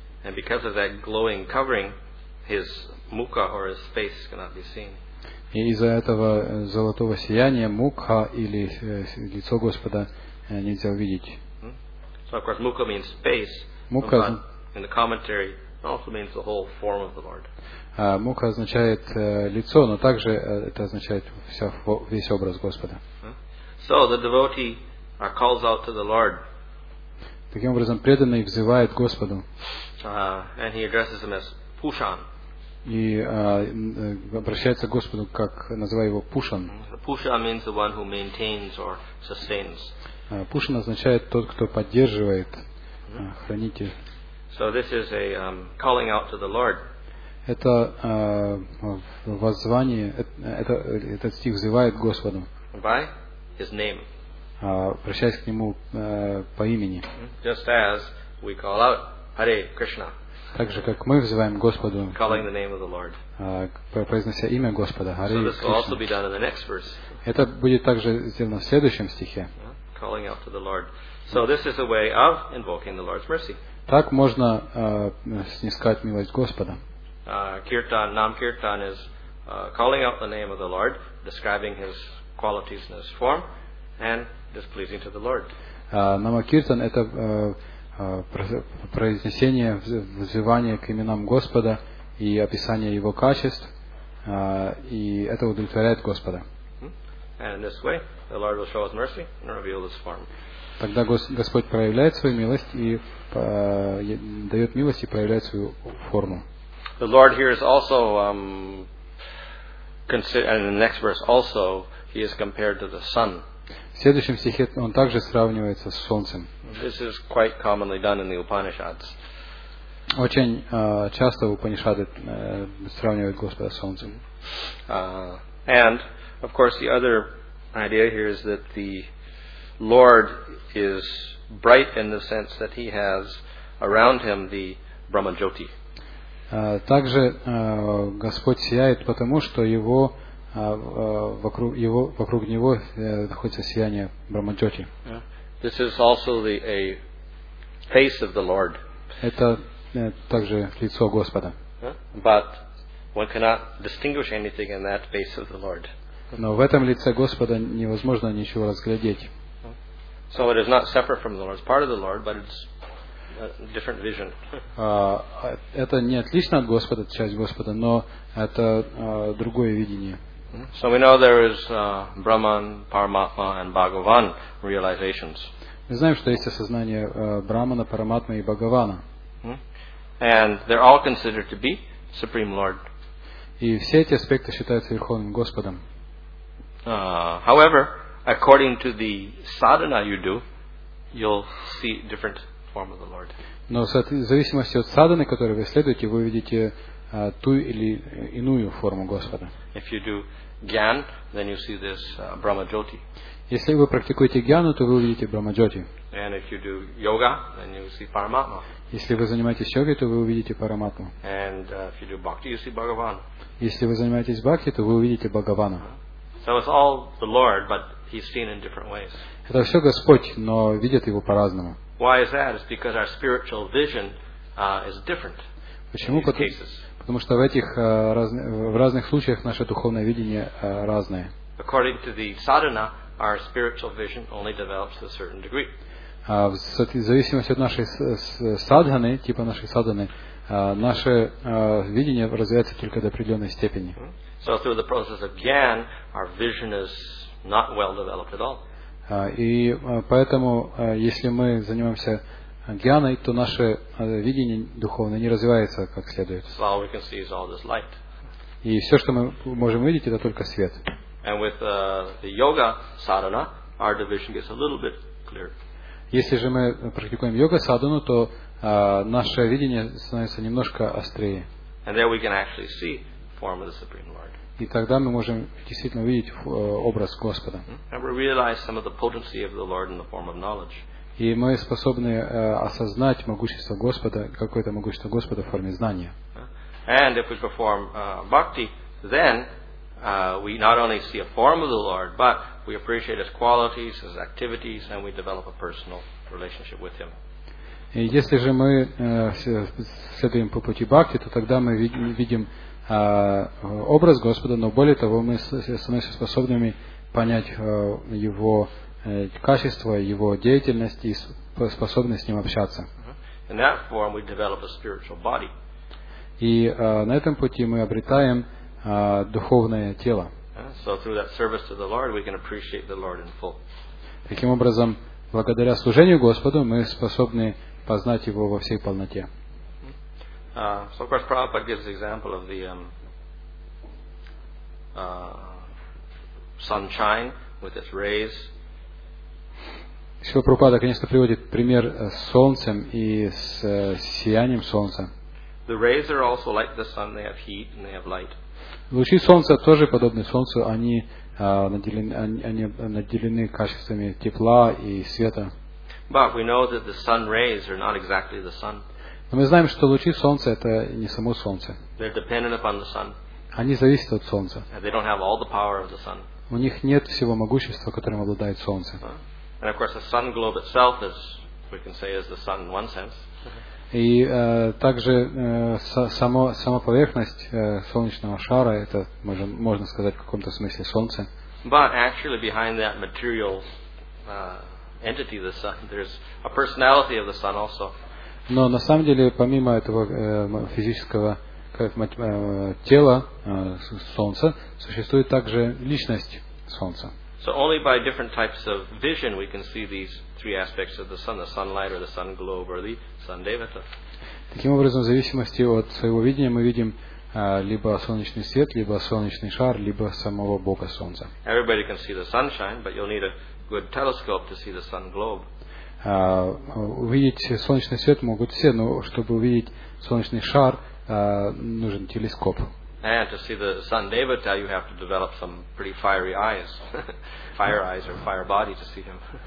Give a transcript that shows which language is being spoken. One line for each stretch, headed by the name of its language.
English: And because of that glowing covering, his mukha or his face cannot be seen.
Russian: И из-за этого золотого сияния мукха или лицо Господа нельзя увидеть.
English: So of course, mukha means face. Mukha in the commentary also means the whole form of the Lord.
Russian: Мука означает лицо, но также это означает весь образ Господа.
English: So the devotee calls out to the Lord.
Russian: Таким образом, преданный взывает Господу.
English: And he addresses him as Pushan.
Russian: И обращается к Господу, как называя его Pushan.
English: Pushan means the one who maintains or sustains.
Russian: Pushan означает тот, кто поддерживает, хранитель.
English: So this is a calling out to the Lord.
Russian: Это воззвание, этот стих взывает Господу.
English: By His name.
Russian: Обращаясь к Нему по имени.
English: Just as we call out Hare Krishna.
Russian: Так же, как мы взываем Господу.
English: Calling the name of the Lord.
Russian: Произнося имя Господа, Hare
English: Krishna. So this will also be done in the next verse.
Russian: Это будет также сделано в следующем стихе.
English: Calling out to the Lord. So this is a way of invoking the Lord's mercy.
Russian: Так можно снискать милость Господа.
English: Kirtan, Nam Kirtan is calling out the name of the Lord, describing His qualities and His form, and displeasing to the Lord.
Russian: Nama Kirtan – это произнесение, взывание к именам Господа и описание Его качеств, и это удовлетворяет Господа.
English: And in this way, the Lord will show His mercy and reveal His form.
Russian: Тогда Господь проявляет свою милость и дает милость и проявляет свою форму.
English: The Lord here is also considered, and in the next verse also, He is compared to the sun.
Russian: В следующем стихе он также сравнивается с солнцем.
English: This is quite commonly done in the Upanishads.
Russian: Очень часто в Упанишады сравнивают Господа с солнцем.
English: And of course, the other idea here is that the Lord is bright in the sense that He has around Him the Brahma Jyoti.
Russian: Также Господь сияет, потому что Его вокруг его, вокруг него находится сияние Брахмаджоти.
English: This is also the a face of the Lord.
Russian: Это также лицо Господа.
English: But one cannot distinguish anything in that face of the Lord.
Russian: Но в этом лице Господа невозможно ничего разглядеть.
English: So it is not separate from the Lord. It's part of the Lord, but it's a different vision.
Russian: Это не отлично от Господа, часть Господа, но это другое видение.
English: So we know there is Brahman, Paramatma, and Bhagavan realizations.
Russian: Мы знаем, что есть осознание Брахмана, Параматмы и Бхагавана.
English: And they're all considered to be Supreme Lord.
Russian: И все эти аспекты считаются Верховным Господом.
English: However, according to the sadhana you do, you'll see different form of the Lord.
Russian: Но в зависимости от садханы, которую вы следуете, вы увидите ту или иную форму Господа.
English: If you do gyan, then you see this Brahmajyoti.
Russian: Если вы практикуете гьяну, то вы увидите Брахмаджоти.
English: And if you do yoga, then you see Paramatma.
Russian: Если вы занимаетесь йогой, то вы увидите Параматму.
English: And if you do bhakti, you see Bhagavan.
Russian: Если вы занимаетесь бхакти, то вы увидите Бхагавана.
English: So it's all the Lord, but he's seen in different ways.
Russian: Это все Господь, но видят его по-разному.
English: Why is that? It's because our spiritual vision is different.
Russian: Почему? Потому что в этих разных случаях наше духовное видение разное.
English: According to the sadhana, our spiritual vision only develops to a certain degree.
Russian: В зависимости от нашей садханы, типа нашей садханы, наше видение развивается только до определенной степени.
English: So through the process of gyan, our vision is not well developed at all.
Russian: И поэтому, если мы занимаемся гьяной, то наше видение духовное не развивается как следует.
English: So all we can see is all this light.
Russian: И все, что мы можем видеть, это только свет.
English: And with the yoga sadhana, our vision gets a little bit clearer.
Russian: Если же мы практикуем йога садхану, то наше видение становится немножко острее.
English: And there we can actually see form of the Supreme Lord.
Russian: И тогда мы можем действительно увидеть образ Господа.
English: And we realize some of the potency of the Lord in the form of knowledge.
Russian: И мы способны осознать могущество Господа, какое-то могущество Господа в форме знания.
English: And if we perform bhakti, then we not only see a form of the Lord, but we appreciate his qualities, his activities, and we develop a personal relationship with him.
Russian: И если же мы следуем по пути бхакти, то тогда мы видим образ Господа, но более того, мы становимся способными понять его качество, его деятельность и способны с ним общаться.
English: In that form we develop a spiritual body.
Russian: И на этом пути мы обретаем духовное тело.
English: So through that service to the Lord, we can appreciate the Lord in full.
Russian: Таким образом, благодаря служению Господу, мы способны познать его во всей полноте.
English: So of course, Prabhupada gives the example of the sunshine with its rays.
Russian: Шрила Прабхупада, конечно, приводит пример с солнцем и с сиянием солнца.
English: The rays are also like the sun; they have heat and they have light.
Russian: Лучи солнца тоже подобны солнцу, они наделены качествами тепла и света.
English: But we know that the sun rays are not exactly the sun.
Russian: Но мы знаем, что лучи солнца это не само солнце.
English: They're dependent upon the sun.
Russian: Они зависят от солнца.
English: And they don't have all the power of the sun.
Russian: У них нет всего могущества, которым обладает солнце.
English: And of course, the sun globe itself is, we can say, is the sun in one sense.
Russian: И также сама поверхность солнечного шара, это можно сказать в каком-то смысле солнце.
English: But actually behind that material entity, the sun, there's a personality of the sun also.
Russian: Но на самом деле, помимо этого физического тела солнца, существует также личность солнца.
English: So only by different types of vision we can see these three aspects of the sun, the sunlight or the sun globe or the sun devata.
Russian: Таким образом, в зависимости от своего видения мы видим либо солнечный свет, либо солнечный шар, либо самого Бога Солнца.
English: Everybody can see the sunshine, but you'll need a good telescope to see the sun globe.
Russian: Увидеть солнечный свет могут все, но чтобы увидеть солнечный шар, нужен телескоп.
English: And to see the sun devata, you have to develop some pretty fiery eyes, fire eyes or fire body to see him.